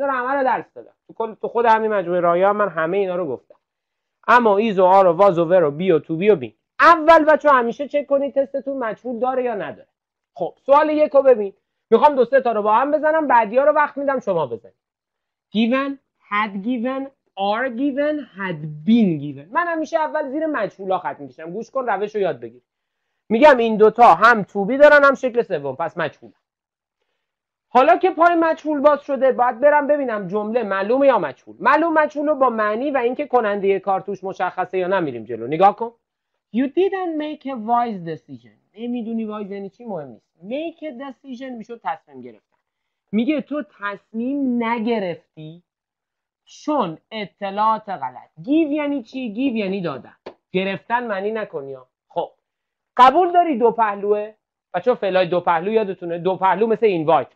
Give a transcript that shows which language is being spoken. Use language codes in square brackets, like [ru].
[fa] اینا رو همه رو درس دادم تو خود همین مجموعه رایه هم، من همه اینا رو گفتم. اما is و are و was و were و be و to be و been. اول بچه همیشه چک کنید تستتون مجهول داره یا نداره. خب سوال یک رو ببین، میخوام دو سه تا رو با هم بزنم، بعدی ها رو وقت میدم شما بزنید. [en] given, had given, are given, had been given. [fa] من همیشه اول زیر مجهول ها خط میکشم. گوش کن روش رو یاد بگیر. میگم این دوتا هم توبی دارن هم شکل سوم، پس مجهول. حالا که پای مجهول باز شده، باید برم ببینم جمله معلومه یا مجهول. معلوم مجهول رو با معنی و اینکه کننده کار توش مشخصه یا نه میریم جلو. نگاه کن: [en] you didn't make a wise decision. [fa] نمیدونی wise یعنی چی، مهم نیست. [en] make a decision [fa] میشه تصمیم گرفتن. میگه تو تصمیم نگرفتی چون اطلاعات غلط. give یعنی چی؟ give یعنی دادن. گرفتن معنی نکنی. خب قبول داری دو پهلوه؟ بچه فعلای دو پهلو یادتونه؟ دو پهلو مثل invite.